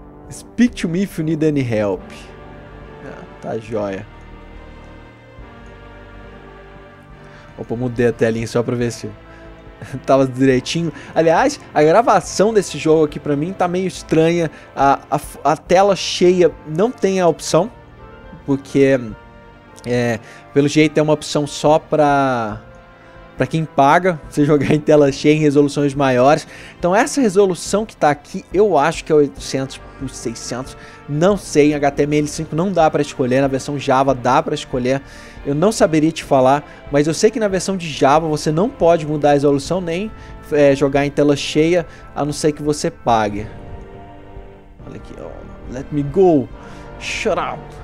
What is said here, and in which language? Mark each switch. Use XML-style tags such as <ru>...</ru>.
<en>Speak to me if you need any help.</en> <pt>Ah, tá joia. Opa, mudei a telinha só pra ver se tava direitinho. Aliás, a gravação desse jogo aqui pra mim tá meio estranha. A tela cheia não tem a opção. Porque, pelo jeito, é uma opção só pra quem paga, você jogar em tela cheia, em resoluções maiores. Então essa resolução que tá aqui, eu acho que é 800x600, não sei, em HTML5 não dá pra escolher, na versão Java dá pra escolher, eu não saberia te falar, mas eu sei que na versão de Java você não pode mudar a resolução nem jogar em tela cheia, a não ser que você pague. Olha aqui, oh,</pt> <en>let me go, shut up.</en>